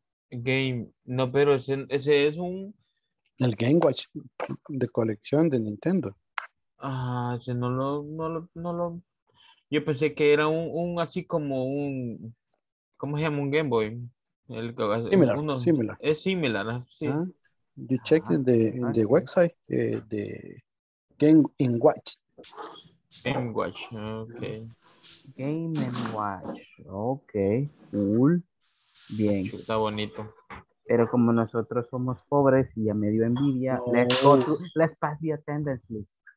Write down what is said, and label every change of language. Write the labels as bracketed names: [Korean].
[Spanish] Game. No, pero ese es un... El Game Watch de colección de Nintendo. Ah, ese no lo... No lo, no lo... Yo pensé que era un así como un... ¿Cómo se llama? Un Game Boy. El similar, uno, similar. Es similar, sí. [English] You check in the website, the Game in Watch. Game Watch, okay. Game and Watch, okay, cool. [Spanish] Bien. Está bonito. Pero como nosotros somos pobres y ya me dio envidia, no. [English] Let's go to, let's pass the attendance list.